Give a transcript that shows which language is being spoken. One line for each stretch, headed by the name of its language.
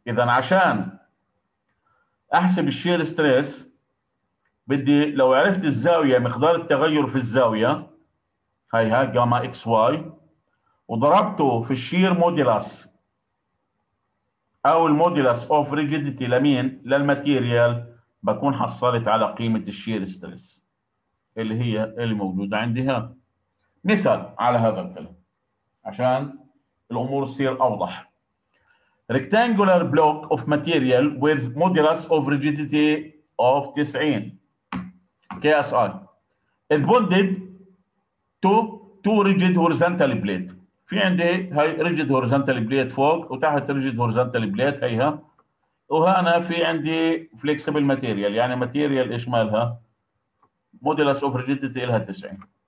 Arabic: اذا عشان احسب الشير ستريس بدي لو عرفت الزاويه مقدار التغير في الزاويه هاي ها جاما اكس واي، وضربته في الشير مودولس او المودولس اوف ريجيديتي لمين؟ للماتيريال، بكون حصلت على قيمه الشير ستريس اللي هي الموجوده عندي. ها مثال على هذا الكلام عشان الامور تصير اوضح.
English: Rectangular block of material with modulus of rigidity of 90 KSI is bonded to two rigid horizontal plates.
Arabic: في عندي هاي
English: rigid horizontal plate
Arabic: فوق وتحت rigid horizontal plate هيها، وهنا في عندي
English: flexible material
Arabic: يعني material ايش مالها؟
English: modulus of rigidity
Arabic: لها 90.